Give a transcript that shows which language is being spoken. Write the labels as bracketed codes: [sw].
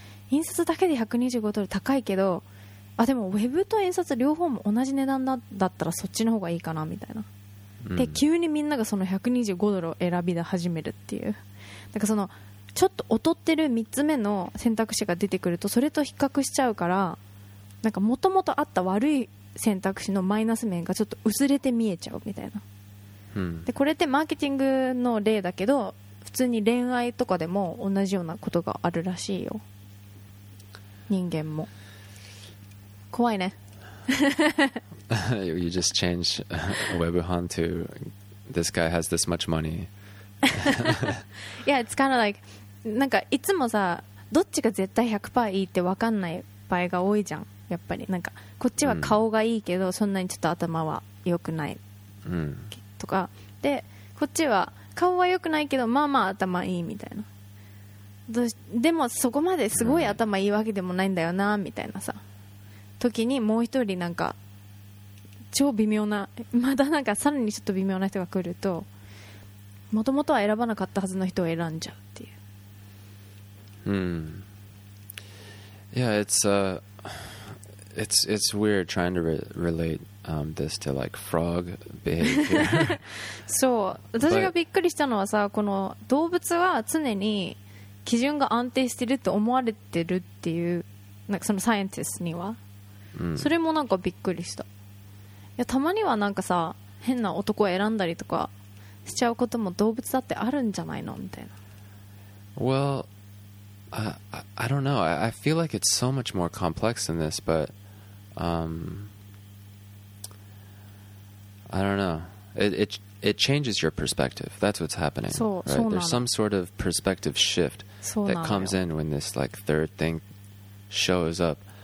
[ja] 印刷だけで125ドル高いけど、あでもウェブと印刷両方も同じ値段だったらそっちの方がいいかなみたいな、うん、で急にみんながその125ドルを選び始めるっていう、だからそのちょっと劣ってる3つ目の選択肢が出てくるとそれと比較しちゃうから、なんか元々あった悪い選択肢のマイナス面がちょっと薄れて見えちゃうみたいな、うん、でこれってマーケティングの例だけど普通に恋愛とかでも同じようなことがあるらしいよ、人間も。怖いね。 [en] You just change Webhan to this guy has this much money. Yeah, it's kind of like [ja] なんかいつもさ、どっちが絶対 100% いいって分かんない場合が多いじゃん。やっぱりなんかこっちは顔がいいけど、そんなにちょっと頭は良くないとか、でこっちは顔は良くないけどまあまあ頭いいみたいな。でもそこまですごい頭いいわけでもないんだよなみたいなさ、時にもう一人なんか超微妙な、まだなんかさらにちょっと微妙な人が来ると、もともとは選ばなかったはずの人を選んじゃうっていう。 [en] Yeah, it's weird trying to relate this to like frog behavior. [ja] そう、私がびっくりしたのはさ、この動物は常に基準が安定してると思われてるっていう、なんかそのサイエンティストには、うん、それもなんかびっくりした。いやたまにはなんかさ、変な男を選んだりとかしちゃうことも動物だってあるんじゃないのみたいな。 [en] Well, I don't know. I feel like it's so much more complex than this, but I don't know. It changes your perspective. That's what's happening. [ja] そう、 [en] right? [ja] そうなの。 [en] There's some sort of perspective shift that comes in when this like third thing shows up.